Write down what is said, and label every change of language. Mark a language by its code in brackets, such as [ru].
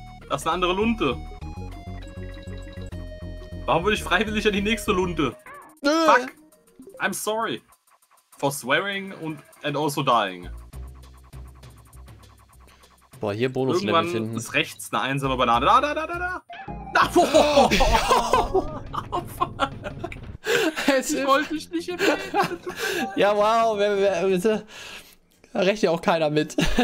[de] Das ist eine andere Lunte. Warum würde ich freiwillig an die nächste Lunte? [en] Fuck! I'm sorry. For swearing and also dying. [de] Boah, hier Bonus-Level finden. Irgendwann ist rechts eine einsame Banane. Da, da, da, da, da! Na, oh, oh, oh, oh, fuck! Ich wollte mich nicht erwähnen. Ja, wow, bitte. Da rechnet ja auch keiner mit.